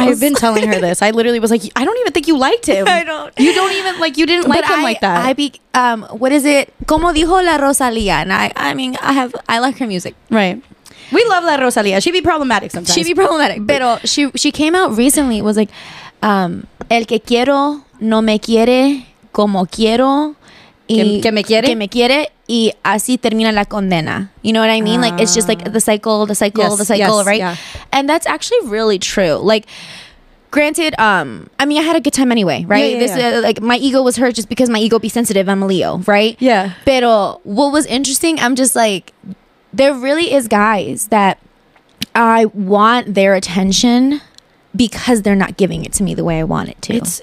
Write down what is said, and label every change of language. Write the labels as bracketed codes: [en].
[en] I've been telling her this. I literally was like, I don't even think you liked him. I don't. You don't even like you didn't like him like that. I be what is it? [es] Como dijo la Rosalía. [en] And I like her music. Right. We love La Rosalía. She'd be problematic sometimes. She'd be problematic. But she came out recently. It was like, [es] el que quiero no me quiere como quiero. Que me quiere. Que me quiere. Y así termina la condena. [en] You know what I mean? Like, it's just like the cycle, right? Yeah. And that's actually really true. Like, granted, I mean, I had a good time anyway, right? Like, my ego was hurt just because my ego be sensitive. I'm a Leo, right? Yeah. Pero what was interesting, I'm just like, there really is guys that I want their attention because they're not giving it to me the way I want it to.